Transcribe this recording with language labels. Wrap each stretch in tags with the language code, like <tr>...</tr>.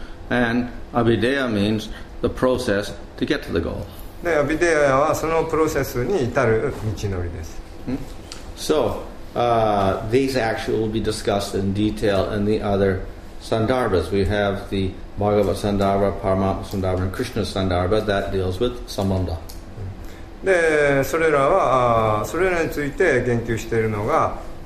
<en>And Abhideya means the process to get to the goal.</en> <ja>でアビデヤはそのプロセスに至る道のりです。</ja> <en>So, these actually will be discussed in detail in the other Sandarbhas. We have the Bhagavata Sandarbha, Paramatma Sandarbha, and Krishna Sandarbha that deals with Sambandha.</en> <ja>で、それらは、それらについて言及しているのが、</ja>